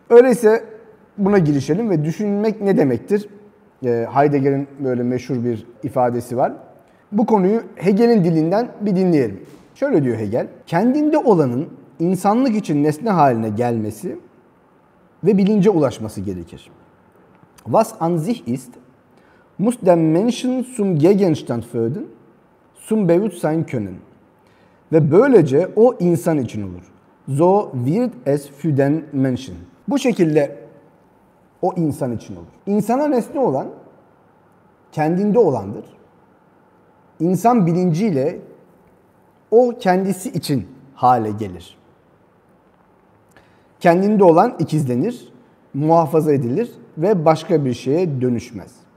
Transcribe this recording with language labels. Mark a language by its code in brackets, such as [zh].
[tr] Öyleyse buna girişelim ve düşünmek ne demektir? Heidegger'in böyle meşhur bir ifadesi var. Bu konuyu Hegel'in dilinden bir dinleyelim. Şöyle diyor Hegel, kendinde olanın insanlık için nesne haline gelmesi ve bilince ulaşması gerekir. [de] Was an sich ist, muss der Menschen zum Gegenstand werden, zum Bewusstsein können. [tr] Ve böylece o insan için olur. [de] So wird es für den Menschen. [tr] Bu şekilde o insan için olur. İnsana nesne olan kendinde olandır. İnsan bilinciyle o kendisi için hale gelir. Kendinde olan ikizlenir, muhafaza edilir ve başka bir şeye dönüşmez.